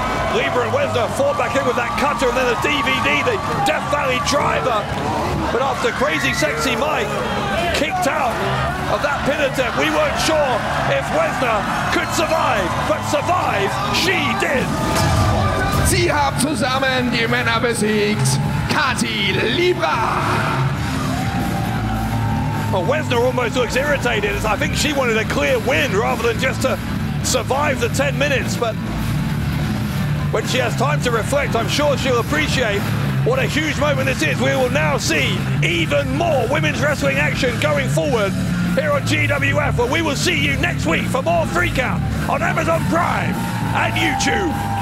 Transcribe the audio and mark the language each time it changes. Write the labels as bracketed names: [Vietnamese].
[English] Libra and Wesna fought back in with that cutter and then the DVD, the Death Valley driver. But after Crazy Sexy Mike kicked out of that pin attempt, we weren't sure if Wesna could survive, but survive she did. [German] Sie haben zusammen die Männer besiegt, Kati Libra. [English] Well, Wesna almost looks irritated. I think she wanted a clear win rather than just to survive the 10 minutes. But when she has time to reflect, I'm sure she'll appreciate what a huge moment this is. We will now see even more women's wrestling action going forward here on GWF, where we will see you next week for more Freakout on Amazon Prime and YouTube.